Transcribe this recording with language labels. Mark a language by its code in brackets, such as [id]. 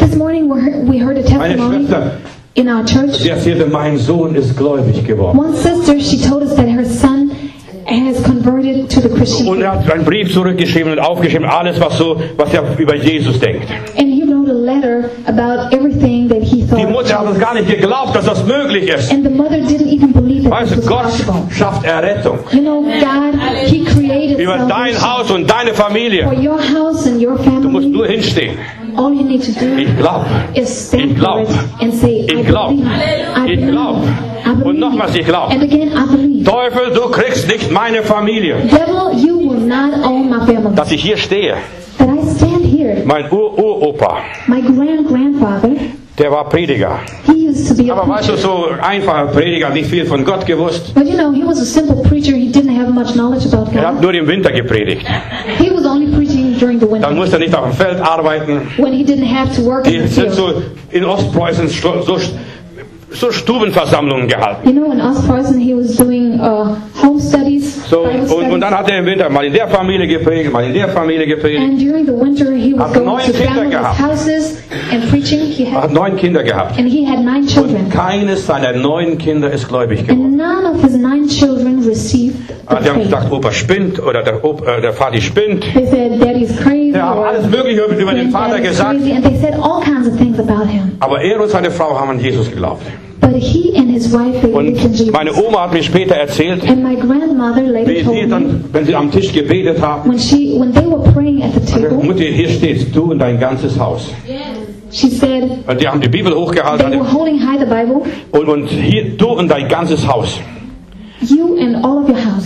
[en] This morning we heard a testimony in our church. [de] Sie erzählte, mein Sohn ist gläubig geworden. [en] One sister, she told us that her son has converted to the Christian [de] und er hat einen Brief zurückgeschrieben und aufgeschrieben, alles was, so, was er über Jesus denkt. [en] And he wrote a letter about everything that he thought. [de] Die Mutter hat es gar nicht geglaubt, dass das möglich ist. [en] And the mother didn't even believe that [de] weißt du, Gott schafft Errettung. [en] You know, God, he created [de] über dein Haus und deine Familie. [en] For your house and your family. [de] Du musst nur hinstehen. [en] all you need to do is stand for it and say, I believe. [de] Und nochmals, ich glaube. [en] And again, I believe. [de] Teufel, du kriegst nicht meine Familie. [en] Devil, you will not own my family. [de] Dass ich hier stehe. [en] That I stand here. [de] Mein Uropa. [en] My grandfather. [de] Der war Prediger. [en] He used to be [de] aber [en] a preacher. [de] Weißt du, so einfacher Prediger, nicht viel von Gott gewusst. [en] But you know, he was a simple preacher. He didn't have much knowledge about God. [de] Er hat nur im Winter gepredigt. [en] He was only preaching during the winter. [de] Dann musste er nicht auf dem Feld arbeiten. [en] When he didn't have to work in the field. [de] So in Ostpreußen so Stubenversammlungen gehalten. [en] You know, in Ostpreußen he was doing home studies. [de] So, und dann hat er im Winter mal in der Familie gepredigt, mal in der Familie gepredigt. [en] And during the winter he was going to families' houses and preaching. He had [de] 9 Kinder gehabt. [en] And he had 9 children. [de] Und keines seiner 9 Kinder ist gläubig geworden. [en] And none of his 9 children received the faith. [de] Die haben gedacht, Opa spinnt oder der Vati spinnt. [en] They said, Daddy's crazy. [de] Ja, alles Mögliche über den Vater gesagt. [en] And they said all kinds of things about him. [de] Aber er und seine Frau haben an Jesus geglaubt. [en] But he and his wife believed in Jesus. [de] Meine Oma hat mir später erzählt, [en] and my grandmother later [de] wie sie dann, wenn sie am Tisch gebetet haben, [en] when they were praying at the table, [de] also, Mutti, hier steht's, du und dein ganzes Haus. [en] She said, [de] und die haben die Bibel hochgehalten. [en] They were holding high the Bible. [de] Und hier, du und dein ganzes Haus. [en] You and all of your house.